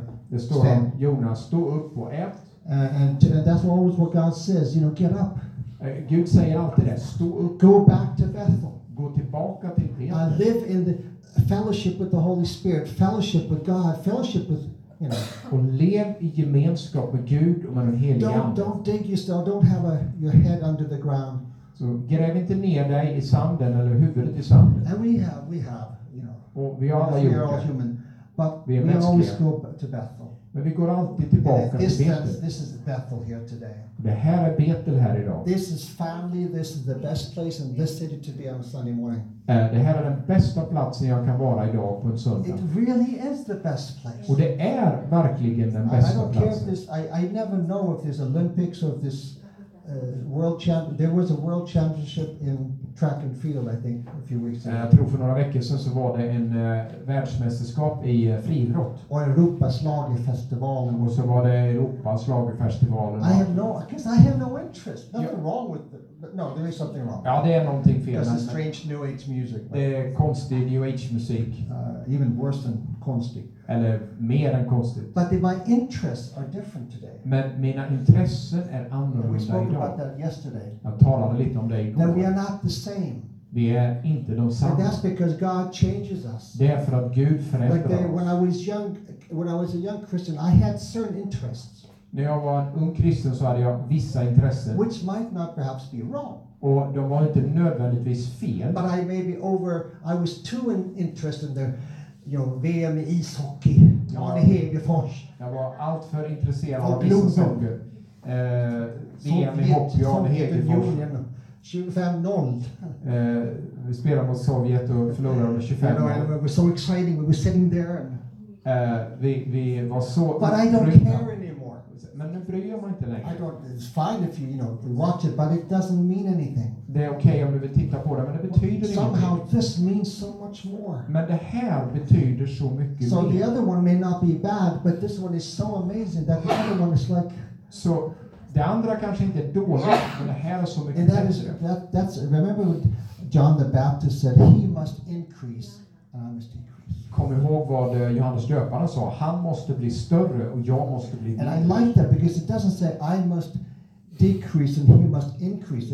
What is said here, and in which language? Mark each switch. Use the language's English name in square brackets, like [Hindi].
[Swedish] Det står om Jonah, stå upp och ät. [English] And that's always what God says, you know, get up. [Swedish] Gud säger alltid det, stå upp. [English] Go back to Bethel. [Swedish] Gå tillbaka till Bethel. [English] I live in the fellowship with the Holy Spirit, fellowship with God, fellowship with, you know. [Swedish] Och lev i gemenskap med Gud och med den helige Ande. [English] Don't dig yourself, don't have your head under the ground. [Swedish] Så gräv inte ner dig i sanden eller huvudet i sanden. [English] And we have, you know. [Swedish] Och vi [English] are all human. But we always go to Bethel. [Swedish] Men vi går alltid tillbaka till Bethel. [English] This is Bethel here today. [Swedish] Det här är Bethel här idag. [English] This is family. This is the best place in this city to be on a Sunday morning. [Swedish] Det här är den bästa platsen jag kan vara idag på en söndag. [English] It really is the best place. [Swedish] Och det är verkligen den bästa platsen. [English] I don't care if this. I never know if there's Olympics or if this world champ. There was a world championship in track and field, I think, a few weeks ago. [Swedish] Jag tror för några veckor sedan så var det en världsmästerskap i friidrott. Och Europas slagerfestivalen. Och så var det Europas slagerfestivalen. [English] I have no, because I have no interest. Nothing wrong with it. No, there is something wrong. [Swedish] Ja, det är någonting fel. [English] Because it's strange new age music. [Swedish] Det är konstig new age musik. [English] Even worse than konstig. [Swedish] Eller mer än konstigt. [English] But my interests are different today. [Swedish] Men mina intressen är annorlunda idag. [English] We spoke about that yesterday. [Swedish] Jag talade lite om det igår. [English] That we are not the same. [Swedish] Vi är inte de samma. [English] And that's because God changes us. [Swedish] Det är för att Gud förändrar oss. [English] When I was a young Christian, I had certain interests. [Swedish] När jag var en ung kristen så hade jag vissa intressen. [English] Which might not perhaps be wrong. [Swedish] Och de var inte nödvändigtvis fel. [English] But I maybe over, I was too interested in there. You know, [Swedish] VM i ishockey. Ja, Arne Hegerfors. Jag var allt för intresserad av ishockey. VM i hockey, Arne Hegerfors. 25-0. Vi spelade mot Sovjet och förlorade med 25-0. [English] We were so exciting. We were sitting there. [Swedish] Vi var så. [English] But I don't care anymore. [Swedish] Men nu bryr man inte längre. [English] I don't. It's fine if you watch it, but it doesn't mean anything. [Swedish] Det är okej om du vill titta på det, men det betyder inte. [English] Somehow this means so much more. [Swedish] Men det här betyder så mycket [English] so [Swedish] mer. [English] So the other one may not be bad, but this one is so amazing that the other one is like. [Swedish] So det andra kanske inte är dåligt, men det här är så mycket. [English] And that is that's remember what John the Baptist said, he must increase and I must decrease. [Swedish] Kom ihåg vad Johannes Döparen sa, han måste bli större och jag måste bli mindre. [English] And I like that because it doesn't say I must decrease and he must increase.